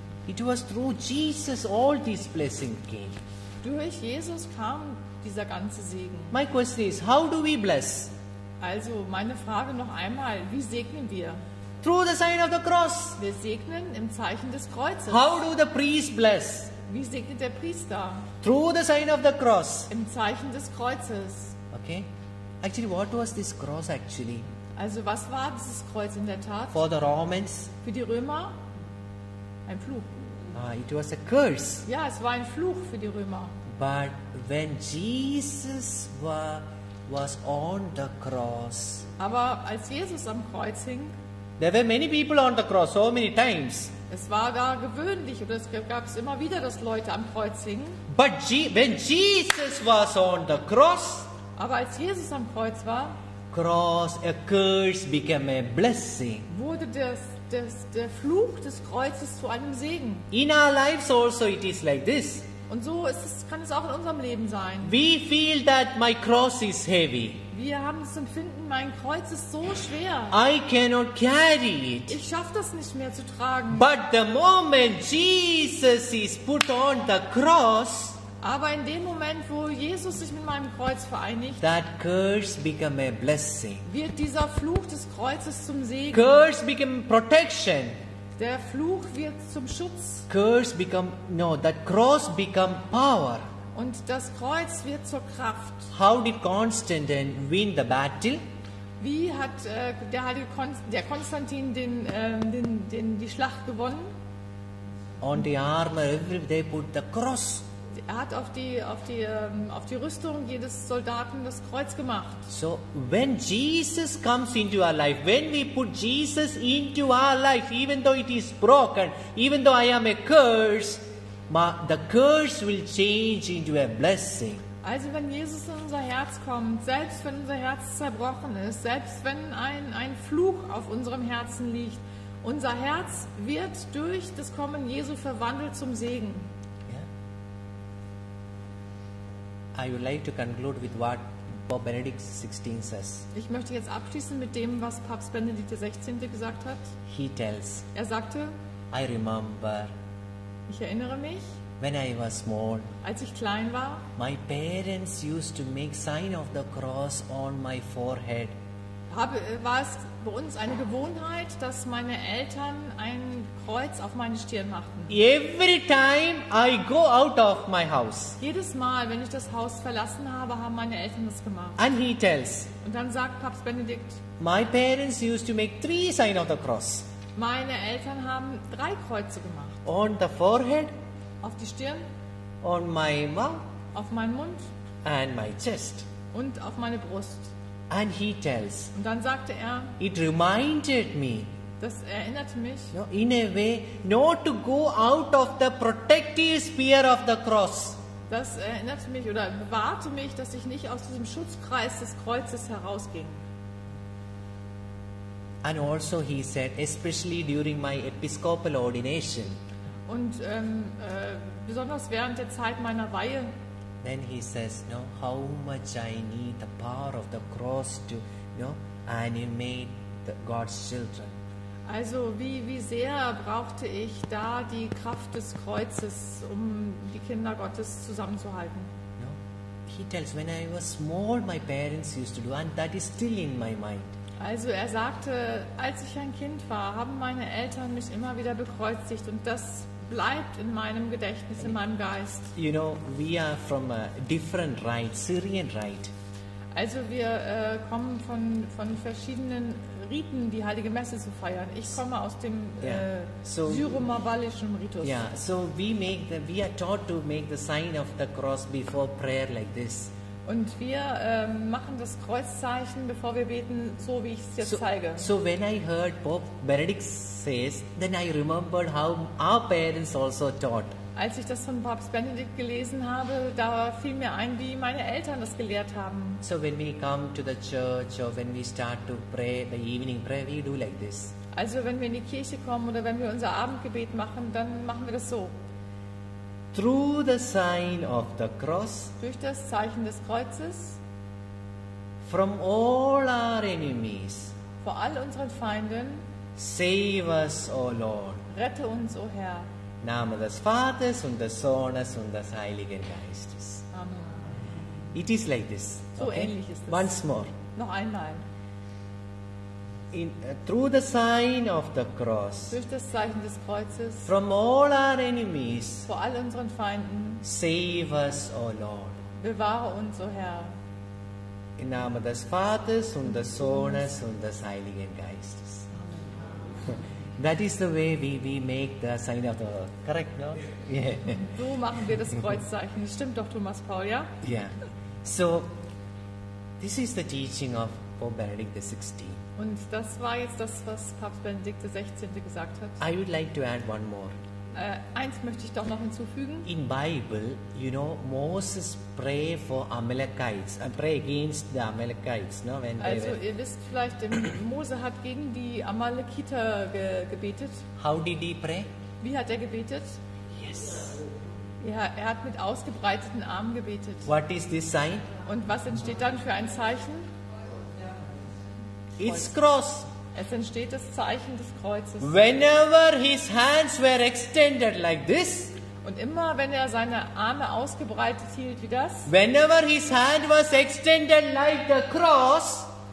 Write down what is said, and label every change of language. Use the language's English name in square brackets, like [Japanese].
[English] It was through Jesus all these blessings came. [German] Durch Jesus kam dieser ganze Segen. [English] My question is, how do we bless? [German] Also meine Frage noch einmal, wie segnen wir? [English] Through the sign of the cross. [German] Wir segnen im Zeichen des Kreuzes. [English] How do the priest bless? [German] Wie segnet der Priester? [English] Through the sign of the cross. [German] Im Zeichen des Kreuzes. [English] Okay. Actually, what was this cross actually? [German] Also was war dieses Kreuz in der Tat? [English] For the Romans. [German] Für die Römer? Ein Fluch. [English] It was a curse. [German] Ja, es war ein Fluch für die Römer. [English] But when Jesus was on the cross. [German] Aber als Jesus am Kreuz hing. [English] There were many people on the cross, so many times. [German] Es war da gewöhnlich oder es gab es immer wieder, dass Leute am Kreuz hingen. [English] But when Jesus was on the cross. [German] Aber als Jesus am Kreuz war. [English] Cross, a curse became a blessing. [German] Wurde der Fluch des Kreuzes zu einem Segen. [English] In our lives also it is like this. [German] Und so ist es, kann es auch in unserem Leben sein. [English] We feel that my cross is heavy. [German] Wir haben das Empfinden, mein Kreuz ist so schwer. [English] I cannot carry it. [German] Ich schaffe das nicht mehr zu tragen. [English] But the moment Jesus is put on the cross. [German] Aber in dem Moment, wo Jesus sich mit meinem Kreuz vereinigt, [English] that curse become a blessing. [German] Wird dieser Fluch des Kreuzes zum Segen. [English] Curse become protection. [German] Der Fluch wird zum Schutz. [English] Curse become, no, that cross become power. [German] Und das Kreuz wird zur Kraft. [English] How did Constantine win the battle? [German] Wie hat der Konstantin die Schlacht gewonnen? [English] On the armor, they put the cross. [German] Er hat auf die Rüstung jedes Soldaten das Kreuz gemacht. [English] So when Jesus comes into our life, when we put Jesus into our life, even though it is broken, even though I am a curse, the curse will change into a blessing. [German] Also wenn Jesus in unser Herz kommt, selbst wenn unser Herz zerbrochen ist, selbst wenn ein Fluch auf unserem Herzen liegt, unser Herz wird durch das Kommen Jesu verwandelt zum Segen. [English] I would like to conclude with what Pope Benedict XVI says. [German] Ich möchte jetzt abschließen mit dem, was Papst Benedikt XVI gesagt hat. [English] He tells. [German] Er sagte. [English] I remember. [German] Ich erinnere mich. [English] When I was small. [German] Als ich klein war. [English] My parents used to make sign of the cross on my forehead. [German] War es bei uns eine Gewohnheit, dass meine Eltern ein Kreuz auf meine Stirn machten. [English] Every time I go out of my house. [German] Jedes Mal, wenn ich das Haus verlassen habe, haben meine Eltern das gemacht. [English] And he tells. [German] Und dann sagt Papst Benedikt. [English] My parents used to make three signs of the cross. [German] Meine Eltern haben drei Kreuze gemacht. [English] On the forehead. [German] Auf die Stirn. [English] On my mouth. [German] Auf meinen Mund. [English] And my chest. [German] Und auf meine Brust. [English] And he tells. [German] Und dann sagte er. [English] It reminded me. [German] Das erinnerte mich. [English] No, in a way, not to go out of the protective sphere of the cross. [German] Das erinnerte mich oder bewahrte mich, dass ich nicht aus diesem Schutzkreis des Kreuzes herausging. [English] And also he said, especially during my episcopal ordination. [German] Und besonders während der Zeit meiner Weihe. [English] Then he says, no, how much I need the power of the cross to, you know, animate God's children. [German] Also wie sehr brauchte ich da die Kraft des Kreuzes, um die Kinder Gottes zusammenzuhalten? [English] No, he tells, when I was small, my parents used to do, and that is still in my mind. [German] Also er sagte, als ich ein Kind war, haben meine Eltern mich immer wieder bekreuzigt, und das bleibt in meinem Gedächtnis, in meinem Geist. [English] You know, we are from a different rite, Syrian rite. [German] Also wir kommen von verschiedenen Riten, die Heilige Messe zu feiern. Ich komme aus dem syro-mabalischen Ritus. [English] Yeah. So we are taught to make the sign of the cross before prayer like this. [German] Und wir machen das Kreuzzeichen, bevor wir beten, so wie ich es jetzt zeige. [English] So when I heard Pope Benedict says, then I remembered how our parents also taught. [German] als ich das von Papst Benedikt gelesen habe, da fiel mir ein, wie meine Eltern das gelehrt haben. [English] So when we come to the church or when we start to pray the evening prayer, we do like this. [German] Also wenn wir in die Kirche kommen oder wenn wir unser Abendgebet machen, dann machen wir das so. [English] Through the sign of the cross, [German] durch das Zeichen des Kreuzes, [English] from all our enemies, [German] vor all unseren Feinden, [English] save us, O Lord. [German] Rette uns, O Herr. Name des Vaters und des Sohnes und des Heiligen Geistes. Amen. [English] It is like this. [German] So okay? Ähnlich ist es. [English] Once more. [German] Noch einmal. [English] Through the sign of the cross, [German] durch das Zeichen des Kreuzes, [English] from all our enemies, [German] vor all unseren Feinden, [English] save us, O Lord. [German] Bewahre uns, O Herr. Im Namen des Vaters und des Sohnes und des Heiligen Geistes. [English] That is the way we make the sign of the cross. Correct, no? [German] Yeah. So machen wir das Kreuzzeichen. Stimmt doch, Thomas Paul, ja? [English] Yeah. So, this is the teaching of Pope Benedict the 16th. [German] Und das war jetzt das, was Papst Benedikt der 16. gesagt hat. [English] I would like to add one more. [German] Eins möchte ich doch noch hinzufügen. [English] In Bible, you know, Moses pray for Amalekites, pray against the Amalekites, no? When also they were... [German] ihr wisst vielleicht, Mose hat gegen die Amalekiter gebetet. [English] How did he pray? [German] Wie hat er gebetet? [English] Yes. [German] Ja, er hat mit ausgebreiteten Armen gebetet. [English] What is this sign? [German] Und was entsteht dann für ein Zeichen? [English] It's cross. [German] Es entsteht das Zeichen des Kreuzes. [English] Whenever his hands were extended like this, [German] und immer wenn er seine Arme ausgebreitet hielt wie das, [English] whenever his hand was extended like the cross,